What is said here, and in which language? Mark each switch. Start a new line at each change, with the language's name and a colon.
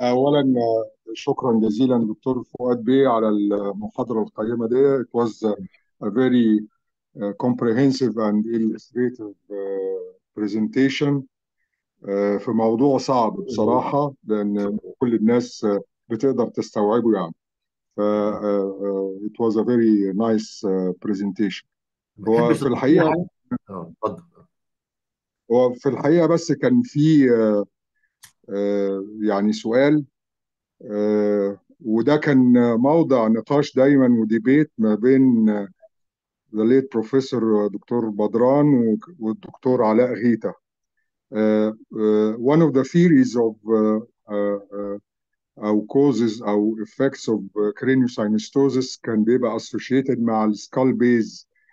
Arabic: أولا شكرا جزيلا دكتور فؤاد بيه على المحاضرة القيمة دي.
English: It was a very comprehensive and illustrative presentation
Arabic: في موضوع صعب بصراحة، لأن كل الناس بتقدر تستوعبه يعني.
English: ف it was a very nice presentation.
Arabic: ما تحبش وفي تضيف الحقيقة حاجة؟ اه اتفضل. بس كان في يعني سؤال، وده كان موضع نقاش دايما وديبيت ما بين
English: the late professor
Arabic: دكتور بدران والدكتور علاء غيتا.
English: One of the theories of أو causes أو effects of craniosynostosis
Arabic: كان بيبقى
English: associated مع السكال base